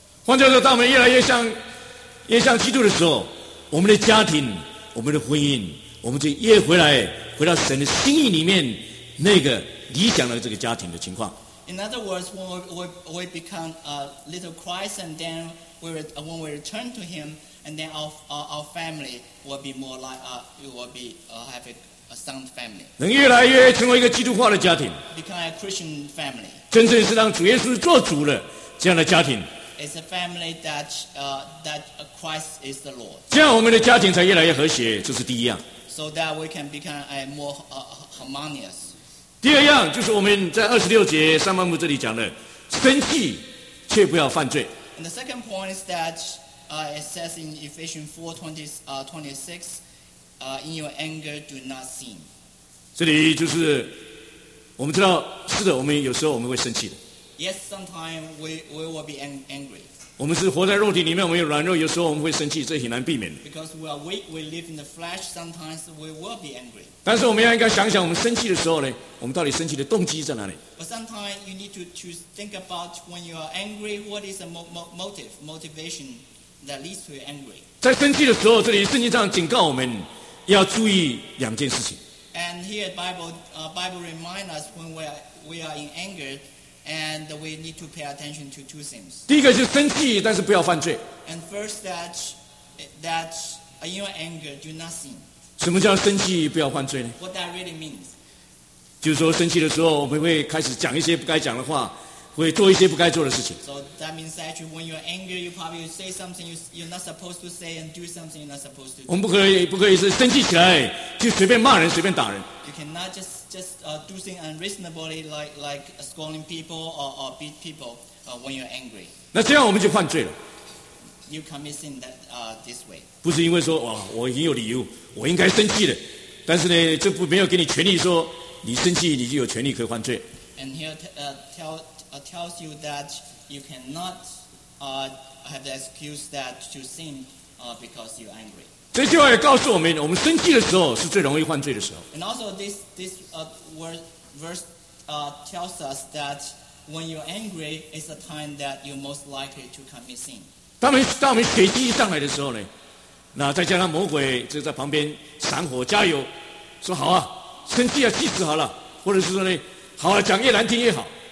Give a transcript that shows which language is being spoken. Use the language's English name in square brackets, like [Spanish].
[Chinese] 换句话说，当我们越像基督的时候，我们的家庭、我们的婚姻，我们就越回到神的心意里面那个理想的这个家庭的情况。 [English] In other words, when we become a little Christ, and then when we return to Him, and then our family will be more like have a sound family. [Chinese] 能越来越成为一个基督化的家庭。 [English] Become a Christian family. [Chinese] 真正是让主耶稣做主的这样的家庭。 [English] It's a family that Christ is the Lord. [Chinese] 这样我们的家庭才越来越和谐，这是第一样。 [English] So that we can become a more harmonious. [Chinese] 第二样就是我们在二十六节上半部这里讲的，生气却不要犯罪。 [English] And the second point is that it says in Ephesians 4:26, in your anger do not sin. [Chinese] 这里就是我们知道，是的，我们有时候我们会生气的。 [English] Yes, sometimes we will be angry. [Chinese] 我们是活在肉体里面，我们有软弱，有时候我们会生气，这很难避免。 [English] Because we are weak, we live in the flesh. Sometimes we will be angry. [Chinese] 但是我们要应该想想，我们生气的时候呢，我们到底生气的动机在哪里 [English] ？But sometimes you need to think about when you are angry, what is the motivation that leads to angry? [Chinese] 在生气的时候，这里圣经上警告我们要注意两件事情。 [English] And here, Bible reminds us when we are in anger. And we need to pay attention to two things. [Chinese] 第一个是生气，但是不要犯罪。 [English] And first, that in your anger, do not sin. [Chinese] 什么叫生气不要犯罪呢 [English] ？What that really means? [Chinese] 就是说，生气的时候，我们会开始讲一些不该讲的话，会做一些不该做的事情。 [English] So that means actually, when you're angry, you probably say something you're not supposed to say and do something you're not supposed to do. [Chinese] 我们不可以是生气起来就随便骂人、随便打人。 [English] You cannot just do things unreasonably like scolding people or beat people when you're angry. [Chinese] 那这样我们就犯罪了。 [English] You commit sin that this way. [Chinese] 不是因为说哇，我已经有理由，我应该生气的，但是呢，这不没有给你权利说你生气你就有权利可以犯罪。 [English] And here tells you that you cannot have the excuse that to sin because you're angry. [Chinese] 这句话也告诉我们，我们生气的时候是最容易犯罪的时候。 [English] And also this verse tells us that when you're angry, it's the time that you're most likely to commit sin. [Chinese] 当我们血气上来的时候呢，那再加上魔鬼就在旁边闪火加油，说好啊，生气啊，气死好了，或者是说呢，好啊，讲越难听越好。